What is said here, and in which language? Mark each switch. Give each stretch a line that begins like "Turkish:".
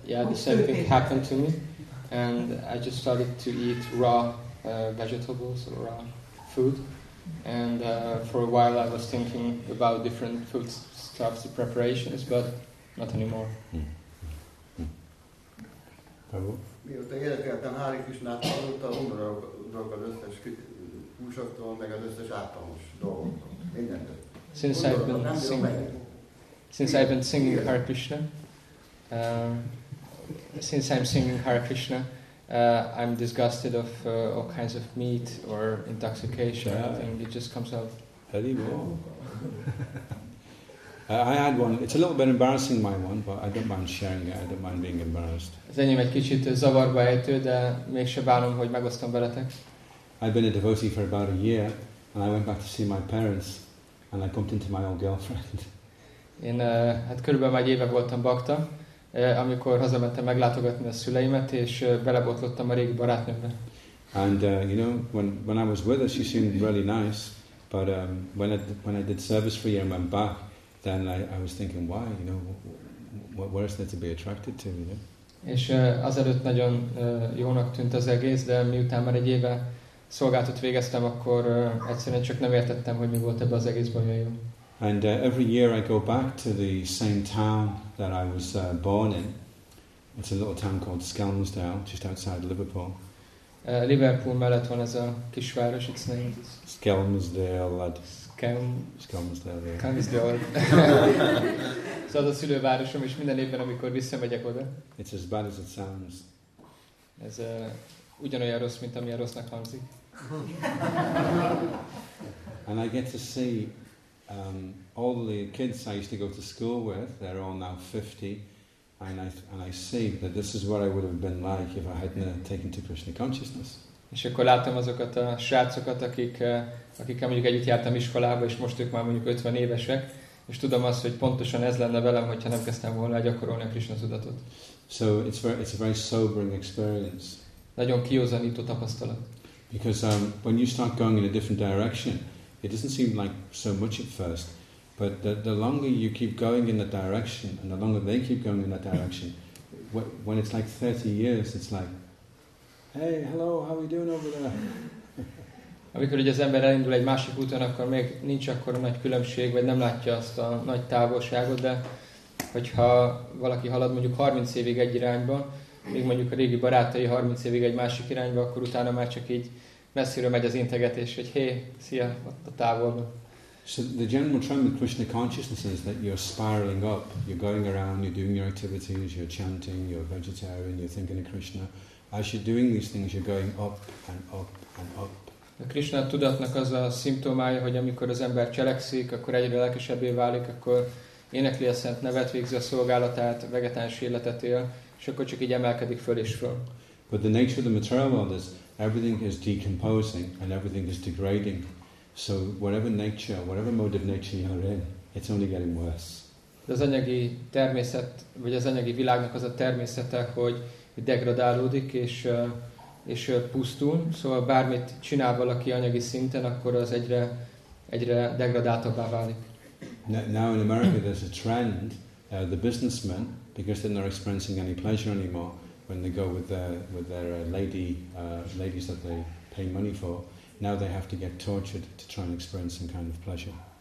English: The same thing happened to me, and I just started to eat raw vegetables or raw food. And for a while I was thinking about different foodstuffs and preparations, but not anymore.
Hungarian: Mióta érdekeltem Hare Krishnát, azóta undorodok az összes húsoktól, meg az összes ártalmas dolgoktól, mindentől.
English: Since I've been singing Hare Krishna, since I'm singing Hare Krishna, I'm disgusted of all kinds of meat or intoxication. Yeah. And it just comes out. Very well. I had one. It's a little bit embarrassing, my one, but I don't mind sharing it. I don't mind being embarrassed.
Hungarian: Az enyém egy kicsit zavarba ejtő, de mégse bánom, hogy megosztom veletek.
English: I'd been a devotee for about a year, and I went back to see my parents, and I bumped into my old girlfriend.
Hungarian: Én hát körülbelül már egy éve voltam bakta. Amikor hazamentem meglátogatni a szüleimet, és belebotlottam a régi barátnőmbe.
English: And you know, when I was with her, she seemed really nice, but when I did service for a year and went back, then I was thinking, why, you know, where is there to be attracted to, you know?
Hungarian: És azelőtt nagyon jónak tűnt az egész, de miután már egy éve szolgálatot végeztem, akkor egyszerűen csak nem értettem, hogy mi volt ebbe az egész bajom.
English: And every year I go back to the same town that I was born in. It's a little town called Skelmersdale, just outside Liverpool.
Hungarian: Liverpool mellett van ez a kisváros,
English: its name is Skelmersdale. Skelmersdale.
Hungarian: Szóval a szülővárosom, és minden évben, amikor visszamegyek oda.
English: It's as bad as it sounds.
Hungarian: Ez ugyanolyan rossz, mint ami a rossznak hangzik.
English: And I get to see all the kids I used to go to school with. They're all now 50. And I see that this is what I would have been like if I hadn't taken to Krishna consciousness.
Hungarian: És akkor láttam azokat a srácokat, akikkel mondjuk együtt jártam iskolába, és most ők már mondjuk 50 évesek, és tudom azt, hogy pontosan ez lenne velem, hogyha nem kezdtem volna gyakorolni a Krishna tudatot.
English: So it's a very sobering experience.
Hungarian: Nagyon kiózanító tapasztalat.
English: Because when you start going in a different direction, it doesn't seem like so much at first. But the longer you keep going in that direction, and the longer they keep going in that direction, when it's like 30 years, it's like, hey, hello, how are you doing over there?
Hungarian: Amikor ugye az ember elindul egy másik úton, akkor még nincs akkor nagy különbség, vagy nem látja azt a nagy távolságot, de hogyha valaki halad mondjuk 30 évig egy irányba, még mondjuk a régi barátai 30 évig egy másik irányba, akkor utána már csak így messziről megy az integetés, hogy hé, szia, ott a távolban.
English: So the general trend with Krishna consciousness is that you're spiraling up. You're going around, you're doing your activities, you're chanting, you're vegetarian, you're thinking of Krishna. As you're doing these things, you're going up and up and up.
Hungarian: A Krishna tudatnak az a szimptomája, hogy amikor az ember cselekszik, akkor egyre lelkesebbé válik, akkor énekli a szent nevet, végzi a szolgálatát, vegetáns életet él, és akkor csak így emelkedik föl és föl.
English: But the nature of the material world is everything is decomposing and everything is degrading. So whatever nature, whatever mode of nature you are in, it's only getting worse.
Hungarian: De az anyagi természet, vagy az anyagi világnak az a természete, hogy degradálódik és pusztul. Szóval bármit csinál valaki anyagi szinten, akkor az egyre degradáltabbá válik.
English: Now in America there's a trend, the businessmen, because they're not experiencing any pleasure anymore when they go with their ladies that they pay money for. Now they have to get tortured to try and experience some kind of pleasure.